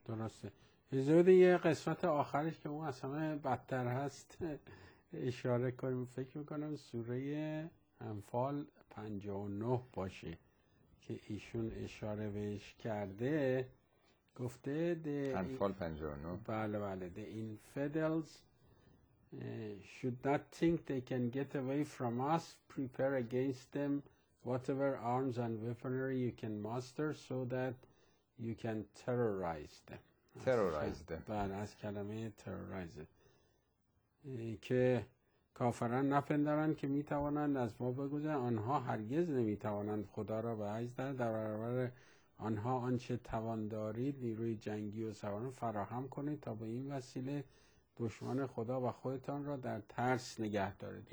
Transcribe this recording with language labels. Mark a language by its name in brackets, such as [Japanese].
[Persian] درسته. حضور یه قسمت آخرش که اون اصلا بدتر هست اشاره کنیم. فکر میکنم سوره انفال 59 باشه که ایشون اشاره بهش کرده. گفته انفال 59. بله بله. [English] The infidels should not think they can get away from us. Prepare against them whatever arms and weaponry you can muster so that you can terrorize them. Terrorize them. [Persian] بله، از کلمه terrorize. که کافران نپندارن که میتوانند از ما بگذرن. آنها هرگز نمیتوانند خدا را به عجز در برابر آنها آنچه توان دارید نیروی جنگی و سواران فراهم کنید تا به این وسیله دشمن خدا و خودتان را در ترس نگه دارید.